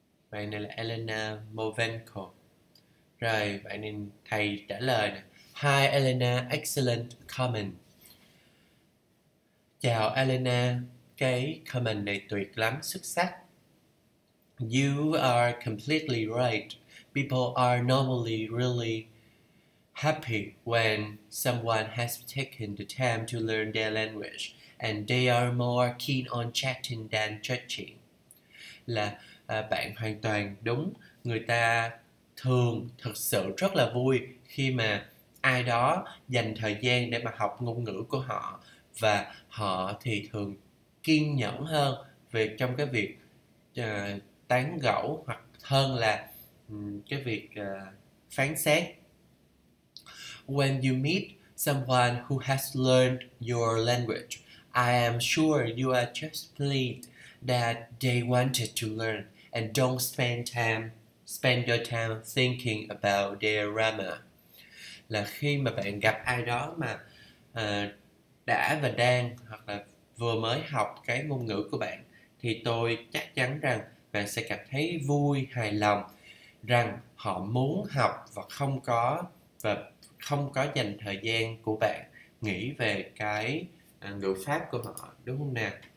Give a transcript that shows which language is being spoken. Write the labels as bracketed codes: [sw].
[vi] Bạn này là Elena Movenko. Rồi, bạn này thầy trả lời nè. [en] Hi Elena, excellent comment. [vi] Chào Elena, cái comment này tuyệt lắm, xuất sắc. [en] You are completely right. People are normally really happy when someone has taken the time to learn their language and they are more keen on chatting than judging. [vi] Là bạn hoàn toàn đúng, người ta thường thực sự rất là vui khi mà ai đó dành thời gian để mà học ngôn ngữ của họ và họ thì thường kiên nhẫn hơn về trong cái việc tán gẫu hoặc hơn là cái việc phán xét. [en] When you meet someone who has learned your language, I am sure you are just pleased that they wanted to learn and don't spend your time thinking about their grammar. [vi] Là khi mà bạn gặp ai đó mà đã và đang hoặc là vừa mới học cái ngôn ngữ của bạn, thì tôi chắc chắn rằng bạn sẽ cảm thấy vui, hài lòng rằng họ muốn học và không có dành thời gian của bạn nghĩ về cái ngữ pháp của họ, đúng không nào?